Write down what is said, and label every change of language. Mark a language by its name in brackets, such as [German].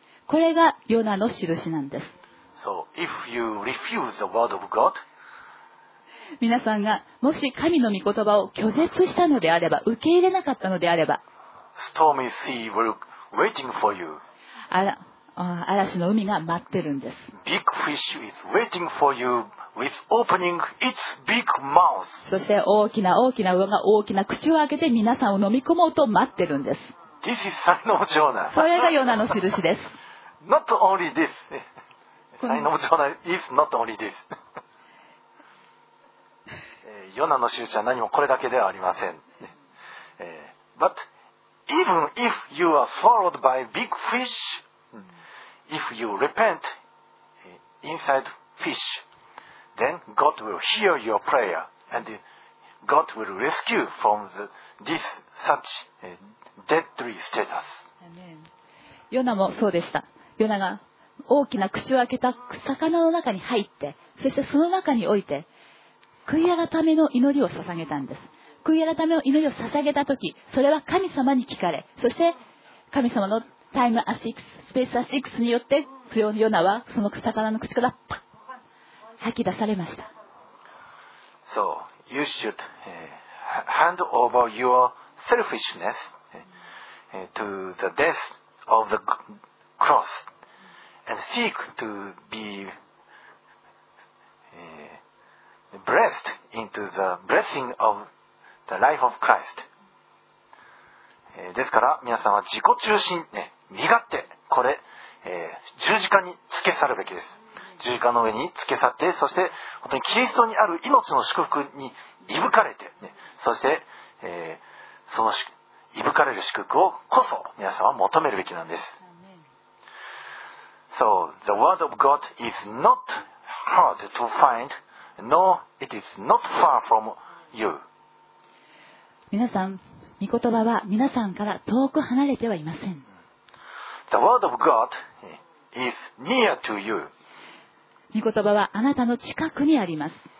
[Japanese] これがヨナの印なんです。 [English] So if you refuse the word of God、 [Japanese] 皆さんがもし神の御言葉を拒絶したのであれば、受け入れなかったのであれば、 [English] Stormy sea will waiting for you. [Japanese] 嵐の海が待ってるんです。 [English] Big fish is waiting for you with opening its big mouth. [Japanese] そして大きな大きな魚が大きな口を開けて皆さんを飲み込もうと待ってるんです。 [English] This is sign of Jonah. [Japanese] それがヨナの印です。 [English] Not only this. Sign of Jonah is not only this. [Japanese] ヨナの印は何もこれだけではありません。 [English] But even if you are swallowed by big fish, if you repent inside fish, then God will hear your prayer and God will rescue from this such deadly status. [Japanese] ヨナもそうでした。ヨナが大きな口を開けた魚の中に入って、そしてその中において、悔い改めの祈りを捧げたんです。悔い改めの祈りを捧げたとき、それは神様に聞かれ、そして神様のタイムアシックス、スペースアシックスによって不要のヨナはその魚の口からパッ吐き出されました。 [English] So you should hand over your selfishness to the death of the cross and seek to be breathed into the blessing of the life of Christ. [Japanese] ですから皆さんは自己中心、ね、身勝手、これ、十字架につけ去るべきです。十字架の上につけ去って、そして本当にキリストにある命の祝福にいぶかれて、ね、そして、そのいぶかれる祝福をこそ皆さんは求めるべきなんです。 [English] So the word of God is not hard to find, nor it is not far from you. [Japanese] 皆さん、御言葉は皆さんから遠く離れてはいません。 [English] The word of God is near to you. [Japanese] 御言葉はあなたの近くにあります。